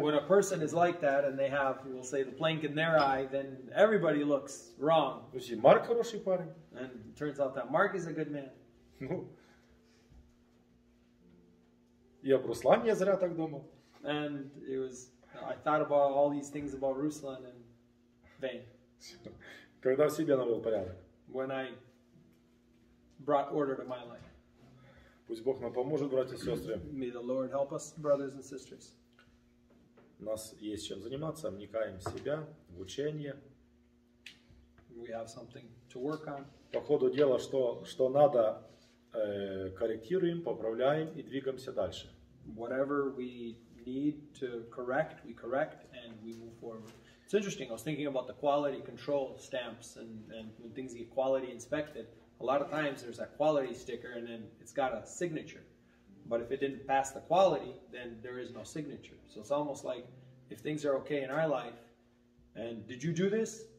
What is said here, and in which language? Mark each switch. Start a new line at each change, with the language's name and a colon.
English: When a person is like that and they have, we'll say, the plank in their eye, then everybody looks wrong.
Russian: Слушай, Марк хороший парень.
English: And it turns out that Mark is a good man.
Russian: Ну, я про Руслан я зря так думал.
English: And it was, I thought about all these things about Ruslan and vain.
Russian: Когда в себе навел порядок.
English: When I brought order to my life.
Russian: Пусть Бог нам поможет, братья и сестры.
English: May the Lord help us, brothers and sisters.
Russian: У нас есть чем заниматься, вникаем в себя, в учение.
English: We have something to work on.
Russian: По ходу дела, что надо, корректируем, поправляем и двигаемся дальше.
English: Whatever we need to correct, we correct and we move forward. It's interesting, I was thinking about the quality control stamps and when things get quality inspected. A lot of times there's that quality sticker and then it's got a signature. But if it didn't pass the quality, then there is no signature. So it's almost like if things are okay in our life, and did you do this?